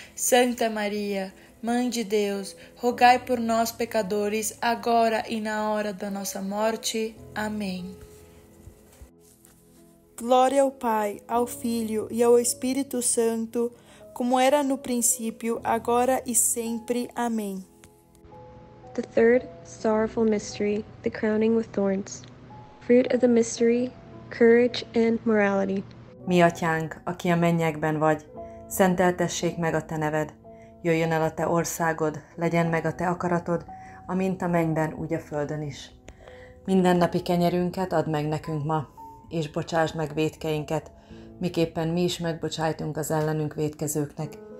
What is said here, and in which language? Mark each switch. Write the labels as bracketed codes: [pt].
[pt] Santa Maria, Mãe de Deus, rogai por nós, pecadores, agora e na hora da nossa morte. Amém. Glória ao Pai, ao Filho e ao Espírito Santo, como era no princípio, agora e sempre. Amém. [en] The third sorrowful mystery, the crowning with thorns. Fruit of the mystery, courage and morality. [hu] Mi atyánk, aki a mennyekben vagy, Szenteltessék meg a te neved, jöjjön el a te országod, legyen meg a te akaratod, amint a mennyben, úgy a földön is. Mindennapi kenyerünket add meg nekünk ma, és bocsásd meg vétkeinket, miképpen mi is megbocsájtunk az ellenünk vétkezőknek.